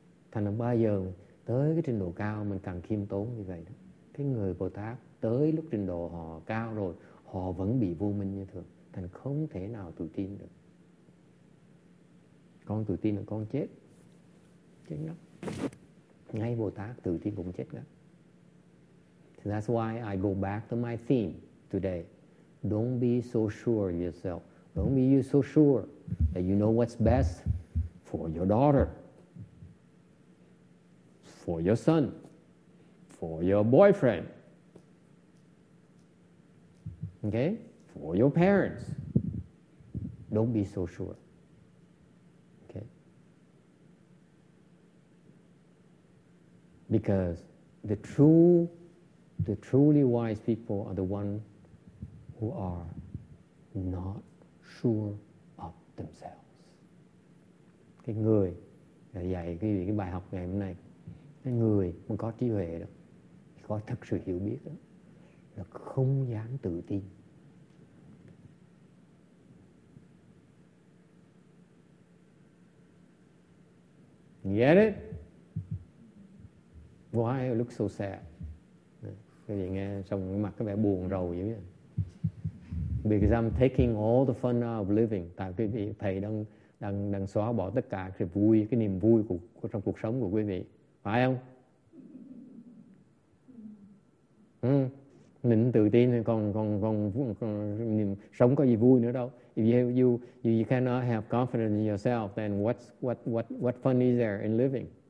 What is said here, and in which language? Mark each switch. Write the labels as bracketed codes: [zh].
[vi] Thành ra bao giờ tới cái trình độ cao mình càng khiêm tốn như vậy đó. Cái người Bồ Tát tới lúc trình độ họ cao rồi, họ vẫn bị vô minh như thường, thành không thể nào tự tin được. Con tự tin là con chết. Chết ngất. Ngay Bồ Tát tự tin cũng chết ngất. [en] That's why I go back to my theme today. Don't be so sure of yourself. Don't be you so sure that you know what's best for your daughter, for your son, for your boyfriend, okay? For your parents. Don't be so sure. Okay? Because the truly wise people are the ones who are not sure of themselves. [vi] Cái người dạy cái bài học ngày hôm nay, cái người mà có trí huệ đó, có thật sự hiểu biết đó, là không dám tự tin. [en] Get it? Why you look so sad? [vi] Cái gì nghe xong mặt có vẻ buồn rầu vậy biết. [en] Because I'm taking all the fun out of living. [vi] Tại quý vị thầy đang xóa bỏ tất cả cái vui, cái niềm vui của trong cuộc sống của quý vị, phải không? Nên tự tin còn niềm sống có gì vui nữa đâu? [en] If you cannot have confidence in yourself, then what fun is there in living?